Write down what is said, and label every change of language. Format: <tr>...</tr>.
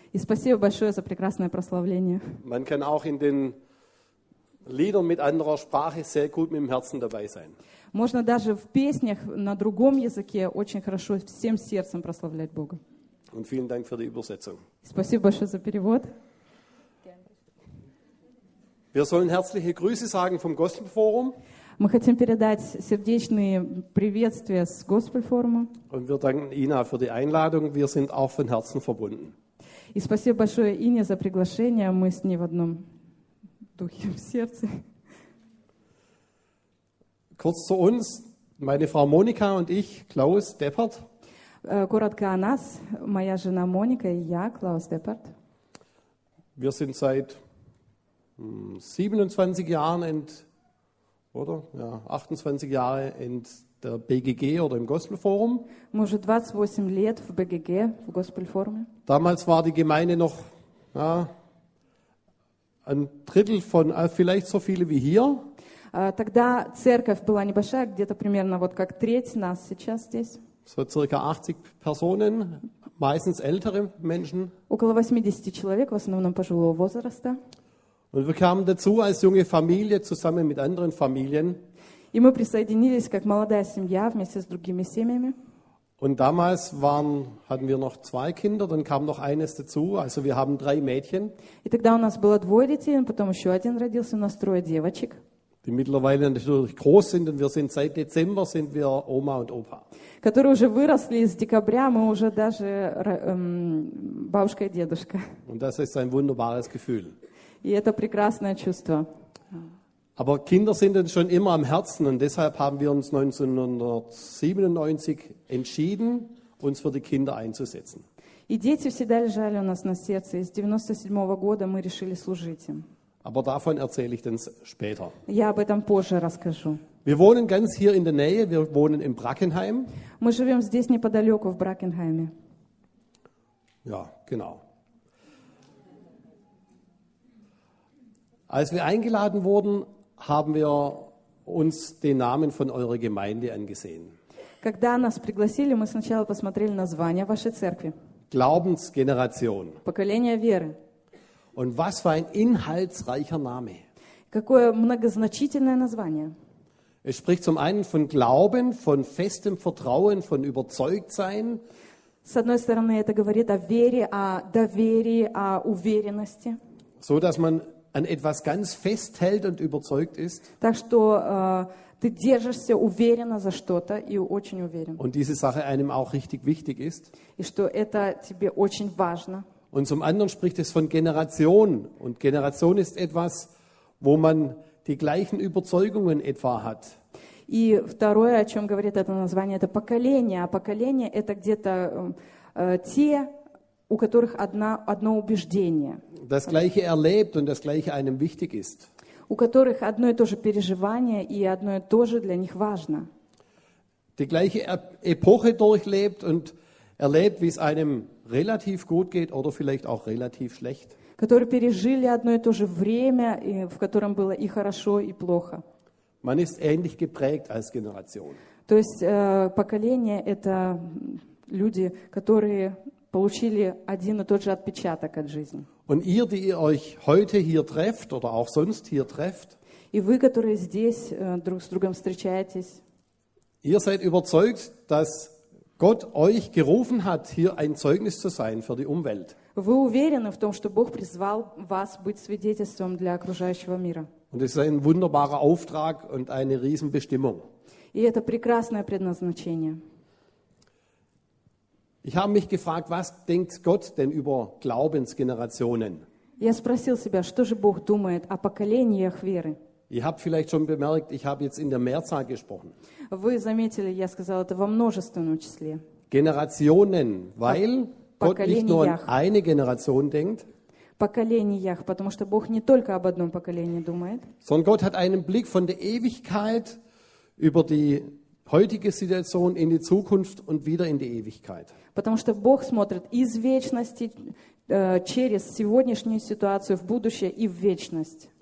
<ru>И спасибо большое за прекрасное прославление.</ru> <de>Man kann auch in den Lieder mit anderer Sprache sehr gut mit dem Herzen dabei sein.</de> <ru>Можно даже в песнях на другом языке очень хорошо всем сердцем прославлять Бога.</ru> <de>Und vielen Dank für die Übersetzung.</de> <ru>Спасибо большое за перевод.</ru> <de>Wir sollen herzliche Grüße sagen vom Gospel Forum.</de> <ru>Мы хотим передать сердечные приветствия с Gospel Forum.</ru> <de>Und wir danken Ina für die Einladung. Wir sind auch von Herzen verbunden.</de> <ru>И спасибо большое Ине за приглашение. Мы с ней в одном. Духе, в сердце.</ru> <de>Kurz zu uns, meine Frau Monika und ich, Klaus Deppert.</de> <ru>Коротко о нас, моя жена Моника и я, Клаус Деппарт.</ru> <de>Wir sind seit 27 Jahren und oder ja, 28 Jahre in der BGG oder im Gospel Forum.</de> <ru>Мы уже 28 лет в БГГ, в Gospel Forum.</ru> <de>Damals war die Gemeinde noch, ja, ein Drittel von vielleicht so viele wie hier.</de> <ru>Тогда церковь была небольшая, где-то примерно вот как треть нас сейчас здесь.</ru> <de>So circa 80 Personen, meistens ältere Menschen.</de> <ru>Около 80 человек, в основном пожилого возраста.</ru> <de>Und wir kamen dazu als junge Familie zusammen mit anderen Familien.</de> <ru>И мы присоединились как молодая семья вместе с другими семьями.</ru> <de>Und damals hatten wir noch zwei Kinder, dann kam noch eines dazu, also wir haben drei Mädchen.</de> <ru>И тогда у нас было двое детей, потом еще один родился, у нас трое девочек.</ru> <de>Die mittlerweile natürlich groß sind und wir sind seit Dezember sind wir Oma und Opa.</de> <ru>Которые уже выросли с декабря, мы уже даже бабушка и дедушка.</ru> <de>Und das ist ein wunderbares Gefühl.</de> <ru>И это прекрасное чувство.</ru> <de>Aber Kinder sind uns schon immer am Herzen und deshalb haben wir uns 1997 entschieden, uns für die Kinder einzusetzen.</de> <ru>И дети всегда лежали у нас на сердце. И с 97 года мы решили служить им.</ru> <de>Aber davon erzähle ich dann später.</de> <ru>Я об этом позже расскажу.</ru> <de>Wir wohnen ganz hier in der Nähe. Wir wohnen in Brackenheim.</de> <ru>Мы живем здесь неподалеку в Брackenheim.</ru> <de>Ja, genau. Als wir eingeladen wurden, haben wir uns den Namen von eurer Gemeinde angesehen.</de> <ru>Когда нас пригласили, мы сначала посмотрели название вашей церкви.</ru> <de>Glaubensgeneration.</de> <ru>Поколение веры.</ru> <de>Und was für ein inhaltsreicher Name.</de> <ru>Какое многозначительное название.</ru> <de>Es spricht zum einen von Glauben, von festem Vertrauen, von Überzeugtsein.</de> <ru>С одной стороны, это говорит о вере, о доверии, о уверенности.</ru> <de>So, dass man an etwas ganz festhält und überzeugt ist.</de> <ru>Так что ты держишься уверенно за что-то и очень уверен.</ru> <de>Und diese Sache einem auch richtig wichtig ist.</de> <ru>И что это тебе очень важно.</ru> <de>Und zum anderen spricht es von Generation. Und Generation ist etwas, wo man die gleichen Überzeugungen etwa hat.</de> <ru>И второе, о чем говорит это название, это поколение. А поколение – это где-то те, у которых одно убеждение.</ru> <de>Das Gleiche erlebt und das Gleiche einem wichtig ist.</de> <ru>У которых одно и то же переживание и одно и то же для них важно.</ru> <de>Die gleiche Epoche durchlebt und erlebt, wie es einem relativ gut geht oder vielleicht auch relativ schlecht.</de> <ru>Которые пережили одно и то же время, в котором было и хорошо, и плохо.</ru> <de>Man ist ähnlich geprägt als Generation.</de> <ru>То есть поколение – это люди, которые получили один и тот же отпечаток от жизни.</ru> <de>Und ihr, die ihr euch heute hier trefft oder auch sonst hier trefft,</de> <ru>и вы, которые здесь друг с другом встречаетесь,</ru> <de>ihr seid überzeugt, dass Gott euch gerufen hat, hier ein Zeugnis zu sein für die Umwelt.</de> <ru>Вы уверены в том, что Бог призвал вас быть свидетельством для окружающего мира.</ru> <de>Und es ist ein wunderbarer Auftrag und eine Riesenbestimmung.</de> <ru>И это прекрасное предназначение.</ru> <de>Ich habe mich gefragt, was denkt Gott denn über Glaubensgenerationen?</de> <ru>Я спросил себя, что же Бог думает о поколениях веры?</ru> <de>Ihr habt vielleicht schon bemerkt, ich habe jetzt in der Mehrzahl gesprochen.</de> <ru>Вы заметили, я сказал это во множественном числе.</ru> <de>Generationen, weil Gott nicht nur an eine Generation denkt.</de> <ru>Поколениях, потому что Бог не только об одном поколении думает.</ru> <de>Sondern Gott hat einen Blick von der Ewigkeit über die heutige Situation in die Zukunft und wieder in die Ewigkeit.</de> <ru>Потому что Бог смотрит из вечности через сегодняшнюю ситуацию в будущее и в вечность.</ru>